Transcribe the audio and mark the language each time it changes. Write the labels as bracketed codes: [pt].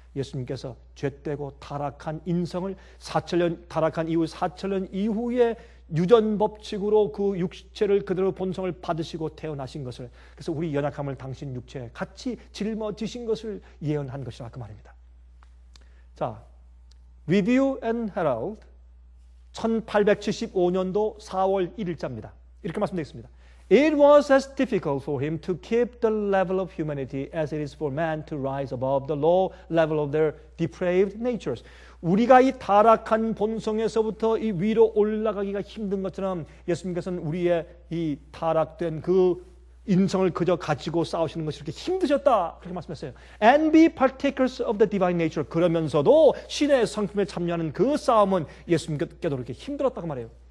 [ko] 예수님께서 죄되고 타락한 인성을 4천년 타락한 이후 4천년 이후에 유전 법칙으로 그 육체를 그대로 본성을 받으시고 태어나신 것을 그래서 우리 연약함을 당신 육체에 같이 짊어지신 것을 예언한 것이라 그 말입니다. 자, Review and Herald 1875년도 4월 1일자입니다. 이렇게 말씀드리겠습니다. [en] It was as difficult for him to keep the level of humanity as it is for man to rise above the low level of their depraved natures. [ko] 우리가 이 타락한 본성에서부터 이 위로 올라가기가 힘든 것처럼 예수님께서는 우리의 이 타락된 그 인성을 그저 가지고 싸우시는 것이 이렇게 힘드셨다. 그렇게 말씀했어요. [en] And be partakers of the divine nature. [ko] 그러면서도 신의 성품에 참여하는 그 싸움은 예수님께도 이렇게 힘들었다고 말해요.